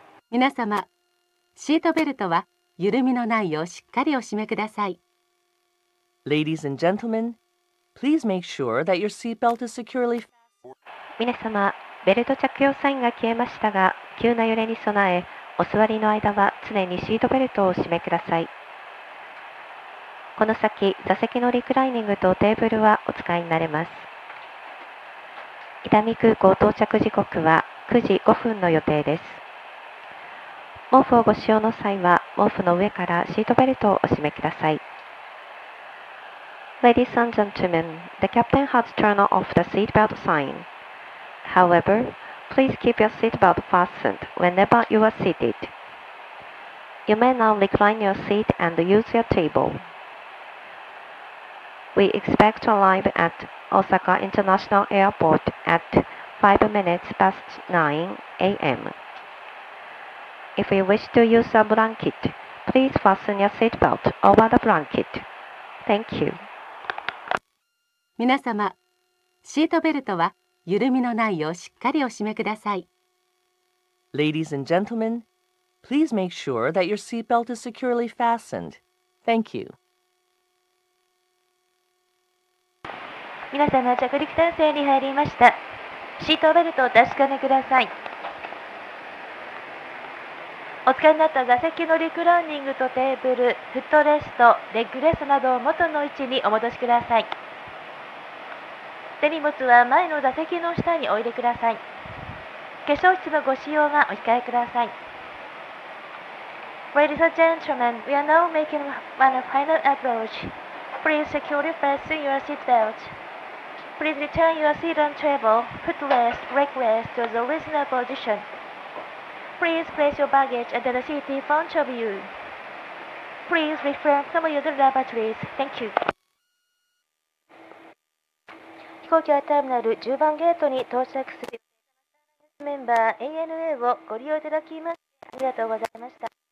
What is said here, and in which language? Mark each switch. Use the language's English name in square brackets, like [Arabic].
[Japanese] みなさま、シートベルトは緩みのないようしっかりお締めください。 [English] Ladies and gentlemen, please make sure that your seatbelt is securely [Japanese] みなさま、ベルト着用サインが消えましたが、急な揺れに備え、お座りの間は常にシートベルトをお締めください。この先、座席のリクライニングとテーブルはお使いになれます。伊丹空港到着時刻は9時5分の予定です。毛布をご使用の際は毛布の上からシートベルトをお締めください。 [English] Ladies and gentlemen, the captain has turned off the seatbelt sign. HoweverPlease keep your seatbelt fastened whenever you are seated. You may now recline your seat and use your table. We expect to arrive at Osaka International Airport at 9:05 a.m. If you wish to use a blanket, please fasten your seatbelt over the blanket. Thank you. [Japanese] 皆様、シートベルトは緩みのないようしっかりお締めください。 [English] Ladies and gentlemen, please make sure that your seatbelt is securely fastened. Thank you. [Japanese] 皆様、着陸態勢に入りました。シートベルトを確かめください。お使いになった座席のリクライニングとテーブル、フットレスト、レッグレストなどを元の位置にお戻しください。手荷物は前の座席の下に置いてください。化粧室のご使用はお控えください。 [English] Ladies and gentlemen, we are now making one final approach. Please securely fasten your seatbelt. Please return your seat on table, footrest, leg rest to the original position. Please place your baggage at the seat in front of you. Please refrain from using lavatories. Thank you. [Japanese] 行機はターミナル10番ゲートに到着する。メンバー ANA をご利用いただきましてありがとうございました。